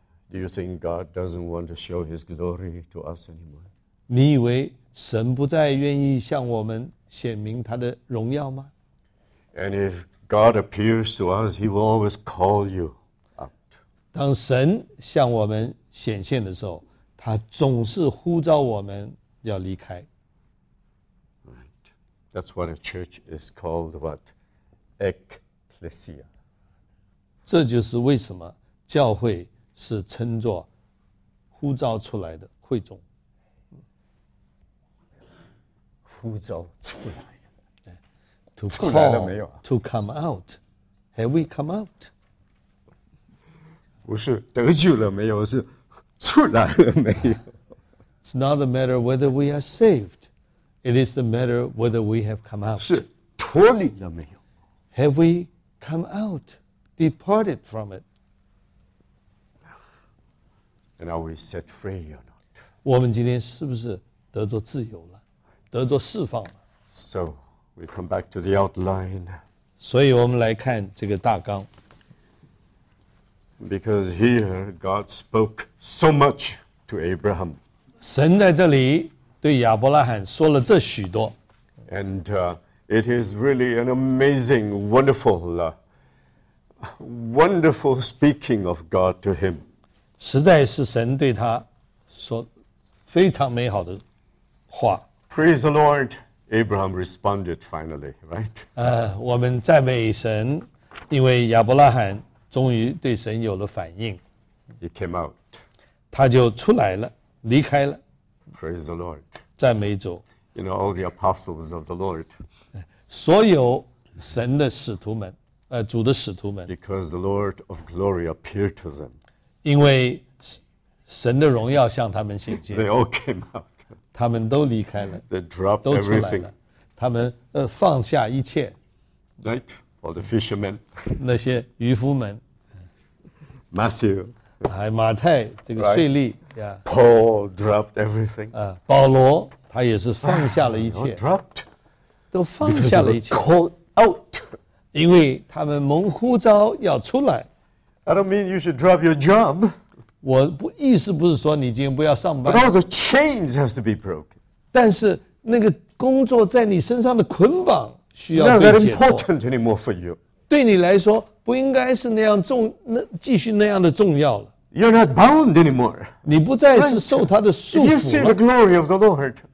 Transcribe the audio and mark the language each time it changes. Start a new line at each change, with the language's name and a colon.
English: Do you think God doesn't want to show his glory to us anymore?
Chinese: 你以为神不再愿意向我们显明他的荣耀吗？
English: And if God appears to us, He will always call you out.
Chinese: 当神向我们显现的时候，他总是呼召我们要离开。
English: Right. That's what a church is called, what? Ecclesia.
Chinese: 这就是为什么教会是称作呼召出来的会众。呼召出来。
English: To call, to come out. Have we come out?
Chinese: 不是得救了没有，是出来了没有。
English: It's not the matter whether we are saved. It is the matter whether we have come out.
Chinese: 是脱离了没有。
English: Have we come out, departed from it? And are we set free or not?
Chinese: 我们今天是不是得着自由了，得着释放了？
English: So,We come back to the outline.
Chinese: 所以我们来看这个大纲。
English: Because here God spoke so much to Abraham.
Chinese: 神在这里对亚伯拉罕说了这许多。
English: And it is really an amazing, wonderful, wonderful speaking of God to him.
Chinese: 实在是神对他说非常美好的话。
English: Praise the Lord, Abraham responded finally, right?
Chinese: 我们赞美神，因为亚伯拉罕终于对神有了反应。
English: He came out.
Chinese: 他就出来了，离开了。
English: Praise the Lord.
Chinese: 赞美主。
English: You know, all the apostles of the Lord.
Chinese: 所有神的使徒们，主的使徒们。
English: Because the Lord of glory appeared to them.
Chinese: 因为神的荣耀向他们显现。
English: They all came out.
Chinese: 他们都离开了。
English: They dropped everything.
Chinese: 他们放下一切。
English: Right? All the fishermen.
Chinese: 那些渔夫们。
English: Matthew.
Chinese: 还马太这个税吏。
English: Right? Yeah. Paul dropped everything.
Chinese: 保罗他也是放下了一切。
English: Dropped.
Chinese: 都放下了一切。
English: Called out.
Chinese: 因为他们蒙呼召要出来。
English: I don't mean you should drop your job.
Chinese: 我不意思不是说你今天不要上班。
English: But all the chains have to be broken.
Chinese: 但是那个工作在你身上的捆绑需要被解脱。
English: Not that important anymore for you.
Chinese: 对你来说不应该是那样重，那继续那样的重要了。
English: You're not bound anymore.
Chinese: 你不再是受他的束缚了。
English: You see the glory of the Lord.